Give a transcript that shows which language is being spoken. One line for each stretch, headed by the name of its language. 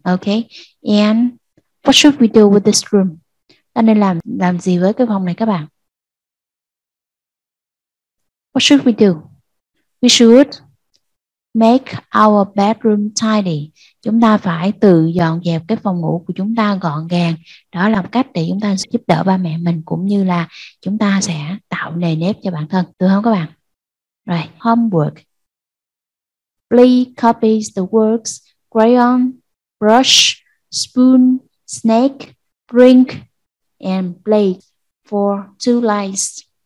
English: Okay, and what should we do with this room?
Vietnamese: Ta nên làm gì với cái phòng này các bạn?
English: What should we do? We should make our bedroom tidy.
Vietnamese: Chúng ta phải tự dọn dẹp cái phòng ngủ của chúng ta gọn gàng. Đó là cách để chúng ta giúp đỡ ba mẹ mình cũng như là chúng ta sẽ tạo nề nếp cho bản thân. Được không các bạn? Rồi, homework.
English: Please copy the words crayon, brush, spoon, snake, drink, and play for two lines.